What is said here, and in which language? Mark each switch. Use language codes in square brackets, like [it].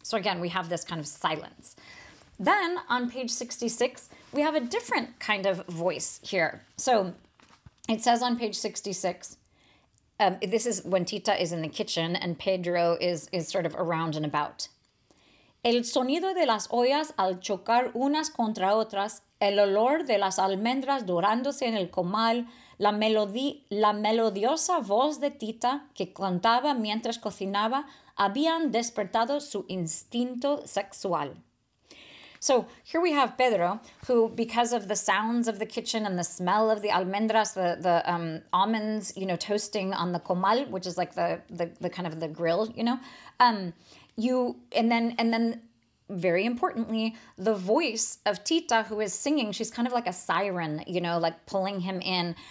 [en] So again, we have this kind of silence. Then on page 66, we have a different kind of voice here. So it says on page 66, this is when Tita is in the kitchen and Pedro is sort of around and about. [es] El sonido de las ollas al chocar unas contra otras, el olor de las almendras dorándose en el comal, la melodiosa voz de Tita que cantaba mientras cocinaba, habían despertado su instinto sexual. [en] So here we have Pedro, who, because of the sounds of the kitchen and the smell of the almendras, the almonds, toasting on the comal, which is like the kind of the grill, and then very importantly, the voice of Tita, who is singing, she's kind of like a siren, like pulling him in.